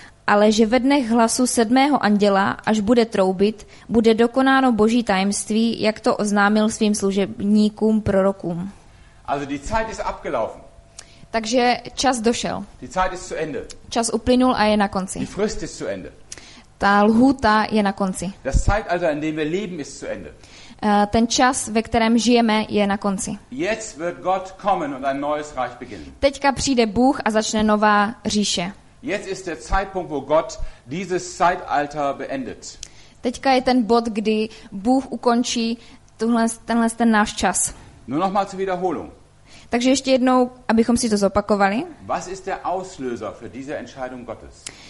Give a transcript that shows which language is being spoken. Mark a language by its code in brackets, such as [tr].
[cs] Ale že ve dnech hlasu sedmého anděla, až bude troubit, bude dokonáno Boží tajemství, jak to oznámil svým služebníkům, prorokům. [de] Also die Zeit ist abgelaufen. [cs] Takže čas došel. [de] Die Zeit ist zu Ende. [cs] Čas uplynul a je na konci. [de] Die Frist ist zu Ende. [cs] Ta lhůta je na konci. [de] Das Zeitalter, in dem wir leben, ist zu Ende. [cs] Ten čas, ve kterém žijeme, je na konci. [de] Jetzt wird Gott kommen und ein neues Reich beginnen. [cs] Teďka přijde Bůh a začne nová říše. [de] Jetzt ist der Zeitpunkt, wo Gott dieses Zeitalter beendet. [cs] Teďka je ten bod, kdy Bůh ukončí tenhle náš čas. [de] Nur noch mal zur Wiederholung. [cs] Takže ještě jednou, abychom si to zopakovali. [de] Was ist der Auslöser für diese Entscheidung Gottes?